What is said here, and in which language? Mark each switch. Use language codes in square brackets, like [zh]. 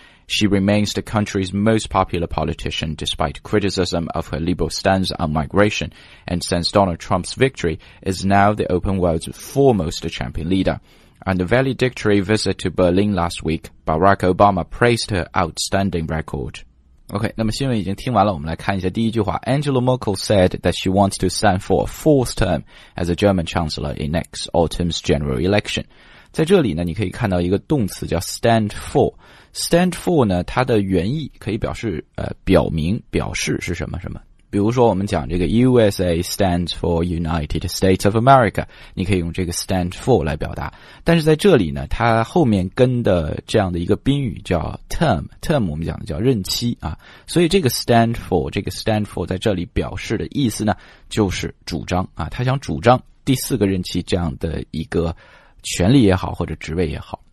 [en] She remains the country's most popular politician despite criticism of her liberal stance on migration, and since Donald Trump's victory, is now the open world's foremost champion leader. On the valedictory visit to Berlin last week, Barack Obama praised her outstanding record. [zh] OK, 那么新闻已经听完了，我们来看一下第一句话。 [en] Angela Merkel said that she wants to stand for a fourth term as a German chancellor in next autumn's general election. [zh] 在这里呢，你可以看到一个动词叫 stand for。Stand for 呢，它的原意可以表示表明、表示是什么什么。比如说我们讲这个 [en] USA stands for United States of America, [zh] 你可以用这个 stand for 来表达。但是在这里呢，它后面跟的这样的一个宾语叫 term 我们讲的叫任期啊。所以这个 stand for 在这里表示的意思呢，就是主张啊，他想主张第四个任期这样的一个权力也好或者职位也好。